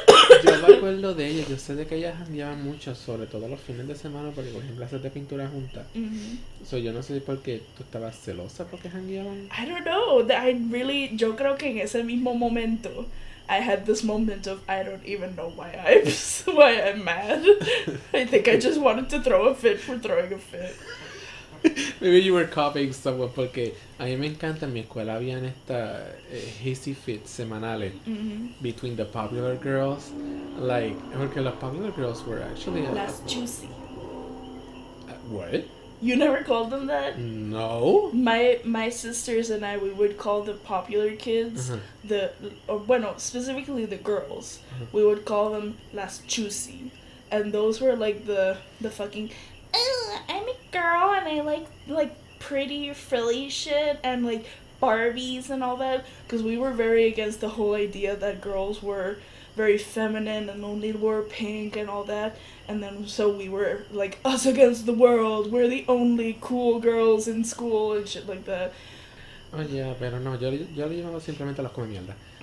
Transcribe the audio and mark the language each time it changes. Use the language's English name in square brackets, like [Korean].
[Spanish] Yo me acuerdo de ella. Yo sé de que ella jangueaba mucho, sobre todo los fines de semana, porque cogían clases de pintura juntas. Mm-hmm. So yo no sé por qué tú estabas celosa porque jangueaban. [English] I don't know. I really, [Spanish] yo creo que en ese mismo momento, [English] I had this moment of, I don't even know why I'm mad. I think I just wanted to throw a fit for throwing a fit. Maybe you were copying someone, [Spanish] porque a mí me encanta en mi escuela habían esta hissy fit semanales [English] between the popular girls. Like, [Spanish] porque las [English] popular girls were actually... [Spanish] Las juicy. [English] What? You never called them that? No. My sisters and I, we would call the popular kids, specifically the girls, we would call them las juicy. And those were like the fucking... I'm a girl and I like pretty frilly shit and like Barbies and all that, because we were very against the whole idea that girls were very feminine and only wore pink and all that, and then so we were like us against the world, we're the only cool girls in school and shit like that. [Spanish] Oh yeah, pero no, yo le llamaba simplemente los come mierda.